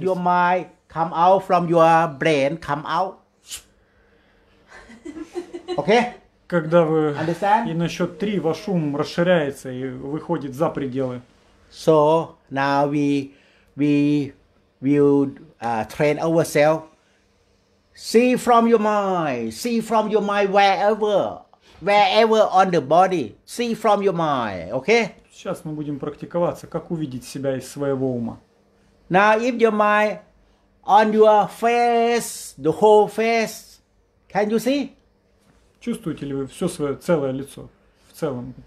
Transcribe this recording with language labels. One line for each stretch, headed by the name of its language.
English: your mind come out from your brain, come out. Okay?
Russian: Когда вы
English: understand?
Russian: И на счет три ваш ум расширяется и выходит за пределы.
English: So now we will train ourselves. See from your mind. See from your mind wherever. Wherever on the body, see from your mind, okay?
Russian: Сейчас мы будем практиковаться, как увидеть себя из своего ума.
English: Now, if your mind on your face, the whole face, can you see?
Russian: Чувствуете ли вы все свое целое лицо в целом?